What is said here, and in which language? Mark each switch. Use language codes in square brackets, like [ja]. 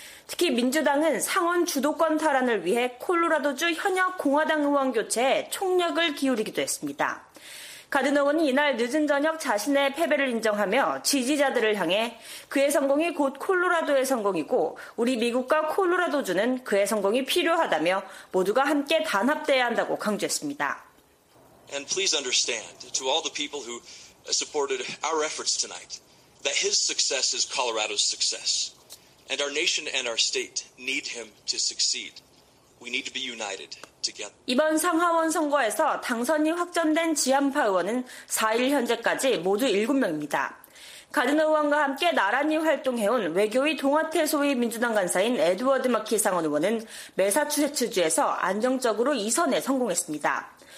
[ko] 특히 민주당은 상원 주도권 탈환을 위해 콜로라도주 현역 공화당 의원 교체에 총력을 기울이기도 했습니다. 가드너 의원이 이날 늦은 저녁 자신의 패배를 인정하며 지지자들을 향해 그의 성공이 곧 콜로라도의 성공이고 우리 미국과 콜로라도주는 그의 성공이 필요하다며 모두가 함께 단합돼야 한다고 강조했습니다. [en] And please understand to all the people who supported our efforts tonight that his success is Colorado's success and our nation and our state need him to succeed. We need to be united. [ko] 이번 상하원 선거에서 당선이 확정된 지한파 의원은 4일 현재까지 모두 7명입니다. 가드너 의원과 함께 나란히 활동해온 외교위 동아태 소위 민주당 간사인 에드워드 마키 상원 의원은 매사추세츠주에서 안정적으로 2선에 성공했습니다.